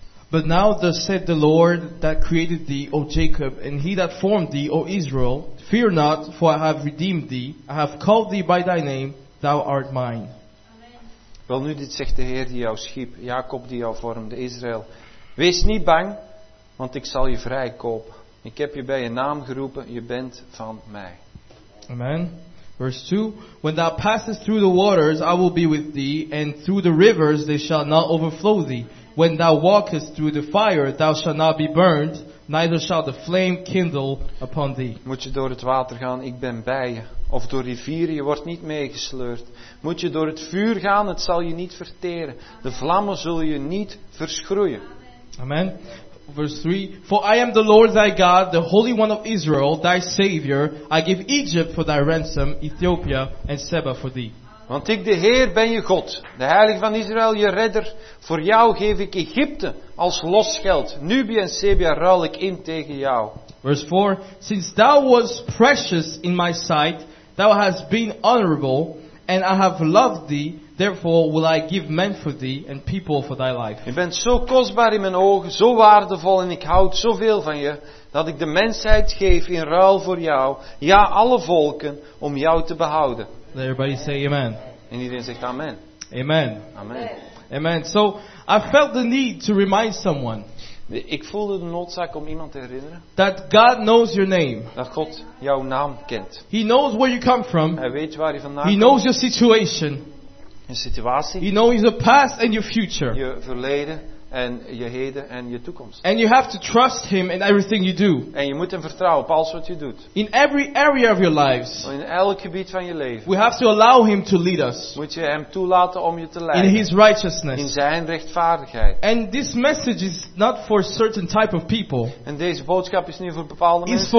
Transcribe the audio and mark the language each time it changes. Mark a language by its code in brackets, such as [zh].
[en] But now thus said the Lord that created thee, O Jacob, and he that formed thee, O Israel, fear not, for I have redeemed thee. I have called thee by thy name, thou art mine. [nl] Amen. Wel nu dit zegt de Heer die jou schiep, Jacob die jou vormde, Israël. Wees niet bang, want ik zal je vrijkopen. Ik heb je bij je naam geroepen, je bent van mij. [en] Amen. Verse 2. When thou passest through the waters, I will be with thee, and through the rivers they shall not overflow thee. When thou walkest through the fire, thou shalt not be burned, neither shall the flame kindle upon thee. [nl] Moet je door het water gaan, ik ben bij je. Of door rivieren, je wordt niet meegesleurd. Moet je door het vuur gaan, het zal je niet verteren. De vlammen zullen je niet verschroeien. [en] Amen. Verse 3. For I am the Lord thy God, the Holy One of Israel, thy Savior. I give Egypt for thy ransom, Ethiopia and Seba for thee. [nl] Want ik de Heer ben je God, de Heilige van Israël, je Redder. Voor jou geef ik Egypte als losgeld. Nubië en Sebia ruil ik in tegen jou. [en] Verse 4. Since thou was precious in my sight, thou hast been honorable, and I have loved thee, therefore will I give men for thee and people for thy life. [nl] Je bent zo kostbaar in mijn ogen, zo waardevol en ik houd zoveel van je, dat ik de mensheid geef in ruil voor jou, ja alle volken, om jou te behouden. [en] Let everybody say amen. [nl] En iedereen zegt amen. [en] Amen. Amen. Amen. So, I felt the need to remind someone. [nl] Ik voelde de noodzaak om iemand te herinneren. [en] That God knows your name. [nl] Dat God jouw naam kent. [en] He knows where you come from. [nl] Hij weet waar je vandaan komt. [en] He knows your situation. [nl] Je situatie. [en] He knows your past and your future. [nl] Je verleden en je heden en je toekomst. [en] And you have to trust him in everything you do. [nl] En je moet hem vertrouwen op alles wat je doet. [en] In every area of your lives. [nl] In elk gebied van je leven. [en] We have to allow him to lead us. [nl] Moet je hem toelaten om je te leiden. [en] In his righteousness. [nl] In zijn rechtvaardigheid. [en] And this message is not for certain type of people. [nl] En deze boodschap is niet voor bepaalde mensen.